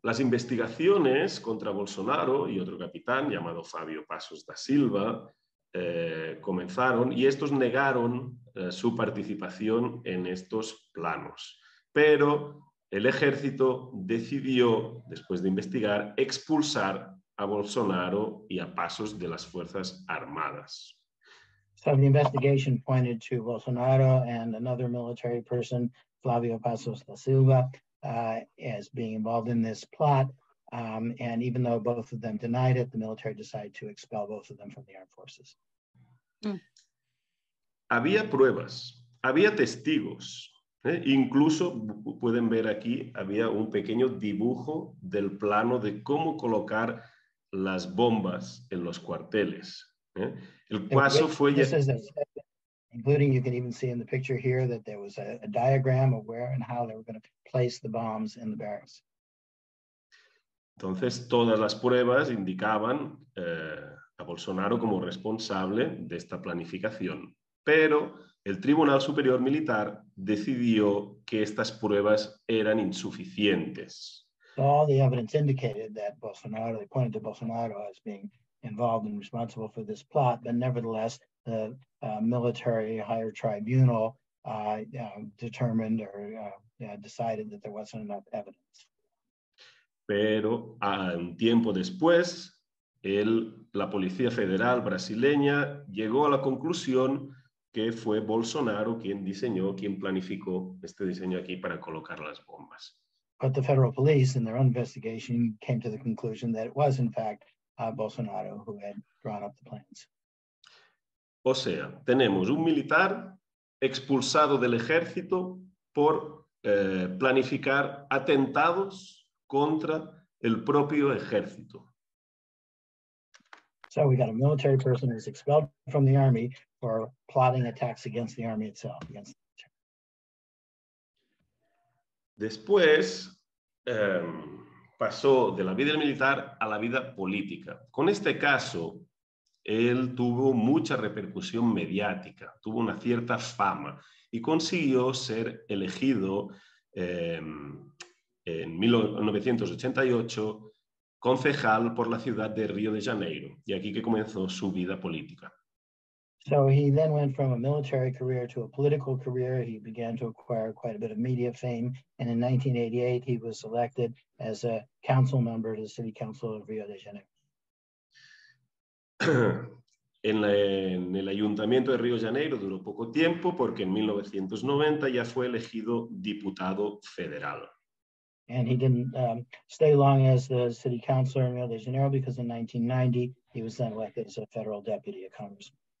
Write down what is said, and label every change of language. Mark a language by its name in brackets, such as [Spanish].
[Spanish] Las investigaciones contra Bolsonaro y otro capitán llamado Fabio Passos da Silva comenzaron y estos negaron su participación en estos planos. Pero el ejército decidió, después de investigar, expulsar a Bolsonaro y a Passos de las Fuerzas Armadas. [English] So the investigation pointed to Bolsonaro and another military person, Flavio Passos da Silva, as being involved in this plot. And even though both of them denied it, the military decided to expel both of them from the armed forces. [Spanish] Había pruebas, había testigos. Incluso pueden ver aquí, había un pequeño dibujo del plano de cómo colocar las bombas en los cuarteles. El paso fue [English] including you can even see in the picture here that there was a diagram of where and how they were going to place the bombs in the barracks. [Spanish] Entonces todas las pruebas indicaban a Bolsonaro como responsable de esta planificación, pero el Tribunal Superior Militar decidió que estas pruebas eran insuficientes. [English] All the evidence indicated that Bolsonaro, they pointed to Bolsonaro as being involved and responsible for this plot, but nevertheless, the military higher tribunal determined or decided that there wasn't enough evidence. [Spanish] Pero un tiempo después, la Policía Federal brasileña llegó a la conclusión que fue Bolsonaro quien diseñó, quien planificó este diseño aquí para colocar las bombas. [English] But the federal police, in their own investigation, came to the conclusion that it was, in fact, Bolsonaro who had drawn up the plans. [Spanish] O sea, tenemos un militar expulsado del ejército por planificar atentados contra el propio ejército. [English] So we got a military person who's expelled from the army for plotting attacks against the army itself, against the military. [Spanish] Después, pasó de la vida militar a la vida política. Con este caso, él tuvo mucha repercusión mediática, tuvo una cierta fama y consiguió ser elegido en 1988 concejal por la ciudad de Río de Janeiro, y aquí que comenzó su vida política. [English] So he then went from a military career to a political career. He began to acquire quite a bit of media fame, and in 1988 he was selected as a council member to the city council of Río de Janeiro. [Spanish] En el ayuntamiento de Río de Janeiro duró poco tiempo porque en 1990 ya fue elegido diputado federal. [English] And he didn't stay long as the city councilor in Rio de Janeiro because in 1990 he was then elected as a federal deputy, a congressman.